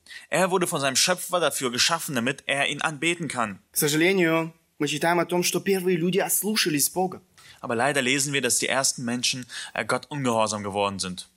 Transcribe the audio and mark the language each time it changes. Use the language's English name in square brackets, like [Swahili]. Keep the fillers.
[German] Er wurde von seinem Schöpfer dafür geschaffen, damit er ihn anbeten kann. [Russian] К сожалению, мы читаем о том, что первые люди ослушались Бога. [German] Aber leider lesen wir, dass die ersten Menschen Gott ungehorsam geworden sind.